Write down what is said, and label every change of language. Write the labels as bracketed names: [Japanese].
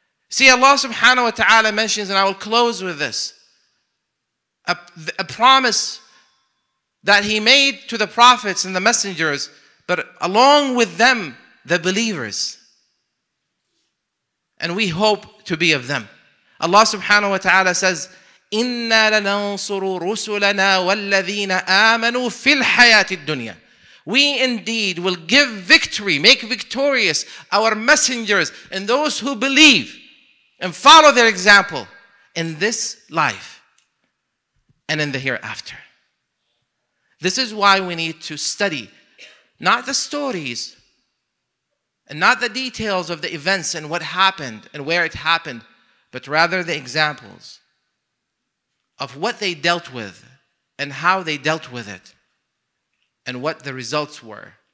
[English] See, Allah subhanahu wa ta'ala mentions, and I will close with this, a promise that He made to the prophets and the messengers, but along with them, the believers. And we hope to be of them. Allah subhanahu wa ta'ala says, [Arabic] إِنَّا لَنَنصُرُ رُسُلَنَا وَالَّذِينَ آمَنُوا فِي الْحَيَاةِ الدُّنْيَا. [English] We indeed will give victory, make victorious our messengers and those who believe and follow their example in this life and in the hereafter. This is why we need to study not the stories and not the details of the events and what happened and where it happened, but rather the examples of what they dealt with and how they dealt with it and what the results were.